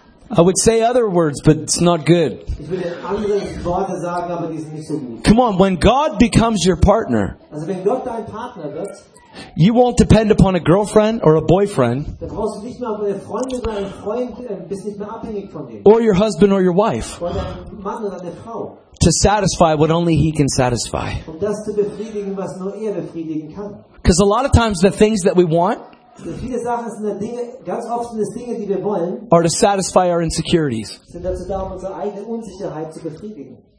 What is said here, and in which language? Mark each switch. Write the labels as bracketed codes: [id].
[en] I would say other words, but it's not good. [de] Ich würde andere Worte sagen, aber die sind nicht so gut. [en] Come on, when God becomes your partner. [de] Also wenn Gott dein Partner wird. [en] You won't depend upon a girlfriend or a boyfriend. [de] Da brauchst du nicht mehr auf eine Freundin oder einen Freund, bist nicht mehr abhängig von dem. [en] Or your husband or your wife. [de] Oder Mann oder eine Frau. [en] To satisfy what only he can satisfy. [de] Um das zu befriedigen, was nur er befriedigen kann. [en] Because a lot of times the things that we want. [de] Viele Sachen sind Dinge, ganz oft sind es Dinge, die wir wollen. [en] Are to satisfy our insecurities. [de] Sind dazu da, um unsere eigene Unsicherheit zu befriedigen.